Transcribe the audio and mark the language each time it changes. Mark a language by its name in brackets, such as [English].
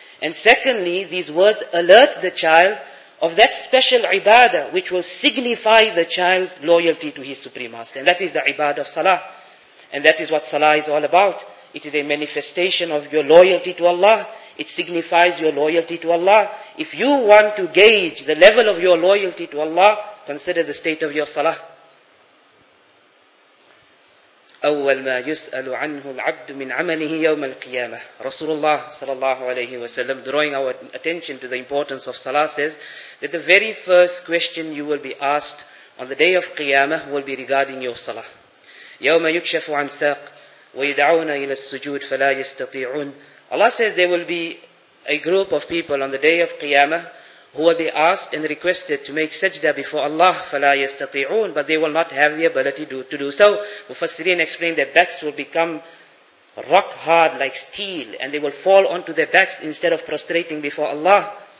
[English] And secondly, these words alert the child of that special ibadah which will signify the child's loyalty to his supreme master. And that is the ibadah of salah. And that is what salah is all about. It is a manifestation of your loyalty to Allah. It signifies your loyalty to Allah. If you want to gauge the level of your loyalty to Allah, consider the state of your salah. [Arabic] أول ما يسأل عنه العبد من عمله يوم القيامة. [English] Rasulullah sallallahu alayhi wa sallam, drawing our attention to the importance of salah, says that the very first question you will be asked on the day of Qiyamah will be regarding your salah. [Arabic] يوم يكشف عن ساق ويدعون إلى السجود فلا يستطيعون. [English] Allah says there will be a group of people on the day of Qiyamah who will be asked and requested to make sajda before Allah, [Arabic] فَلَا يَسْتَطِيعُونَ, [English] but they will not have the ability to do so. Mufassirin explained their backs will become rock hard like steel, and they will fall onto their backs instead of prostrating before Allah.